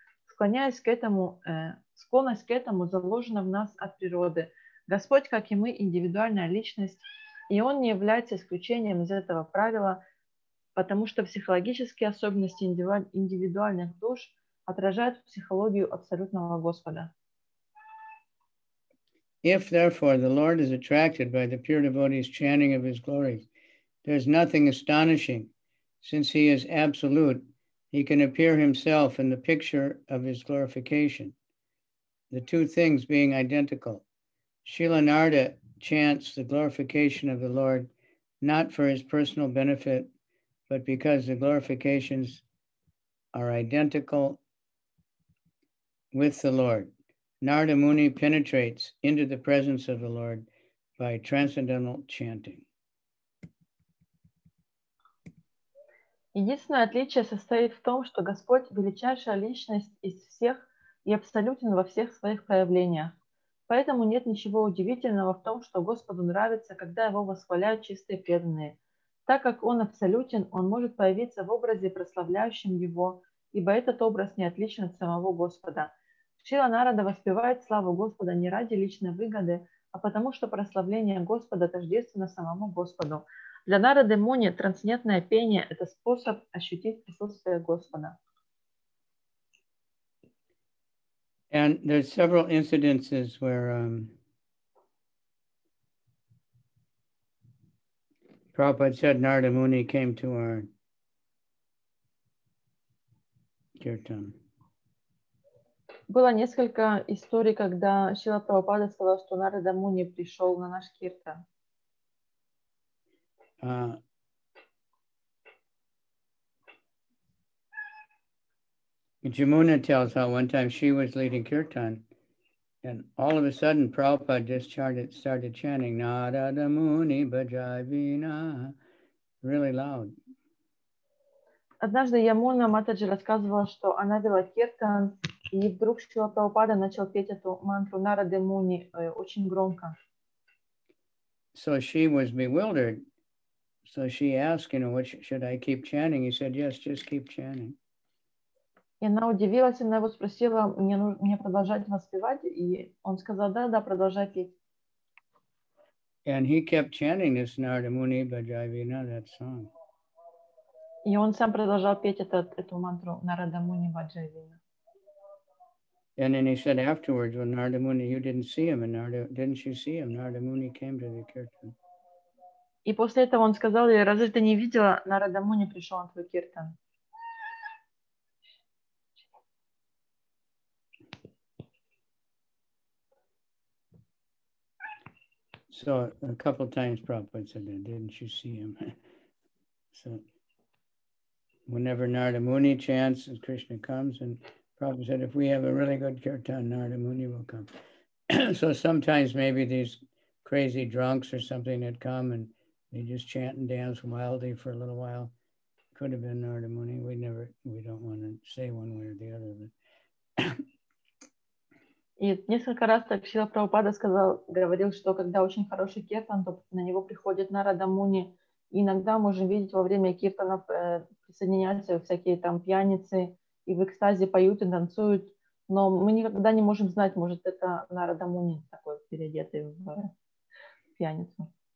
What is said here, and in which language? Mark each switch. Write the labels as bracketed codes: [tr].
[ru] Склоняясь к этому, склонность к этому заложена в нас от природы. Господь, как и мы, индивидуальная личность, и Он не является исключением из этого правила, потому что психологические особенности индивидуальных душ отражают психологию абсолютного Господа. [en] If, therefore, the Lord is attracted by the pure devotee's chanting of his glories, there is nothing astonishing. Since he is absolute, he can appear himself in the picture of his glorification, the two things being identical. Srila Narada chants the glorification of the Lord not for his personal benefit, but because the glorifications are identical with the Lord. Narada Muni penetrates into the presence of the Lord by transcendental chanting. [ru] Единственное отличие состоит в том, что Господь – величайшая личность из всех и абсолютен во всех своих проявлениях. Поэтому нет ничего удивительного в том, что Господу нравится, когда Его восхваляют чистые преданные. Так как Он абсолютен, Он может появиться в образе, прославляющем Его, ибо этот образ не отличен от самого Господа. Шрила Нарада воспевает славу Господа не ради личной выгоды, а потому что прославление Господа тождественно самому Господу. Для Нарады Муни трансцендентное пение – это способ ощутить присутствие Господа. [en] And there's several incidences where Prabhupada said Narada Muni came to our kirtan. [ru] Было несколько историй, когда Шрила Прабхупада сказал, что Нарада Муни пришел на наш киртан. [en] Jamuna tells how one time she was leading kirtan, and all of a sudden Prabhupada just started chanting Narada Muni Bhajavina really loud. [ru] Однажды Ямуна Матаджи рассказывала, что она вела киртан, и вдруг Шрила Прабхупада начал петь эту мантру Нарада Муни очень громко. [en] So she was bewildered. So she asked, you know, what should I keep chanting? He said, yes, just keep chanting. [ru] И она удивилась, она его спросила, мне продолжать воспевать? И он сказал, да, продолжай петь. [en] And he kept chanting this Narada Muni Bhajavina, that song. [ru] И он сам продолжал петь эту мантру Narada Muni Bhajavina. [en] And then he said afterwards, well, Narada Muni, you didn't see him. And Narada, didn't you see him? Narada Muni came to the kirtan. [ru] И после этого он сказал ей, разве ты не видела, Нарада Муни пришел на твой киртан. [en] saw a couple times Prabhupada said that, didn't you see him? So whenever Narada Muni chants and Krishna comes, and Prabhupada said, if we have a really good kirtan, Narada Muni will come. So sometimes maybe these crazy drunks or something that come and they just chant and dance wildly for a little while. Could have been Narada Muni. We don't want to say one way or the other. But... [ru] И несколько раз так Шрила Прабхупада сказал, говорил, что когда очень хороший киртан, то на него приходит Нарада Муни. Иногда можем видеть во время киртанов присоединяются всякие там пьяницы и в экстазе поют и танцуют, но мы никогда не можем знать, может это Нарада Муни такой переодетый в пьяницу.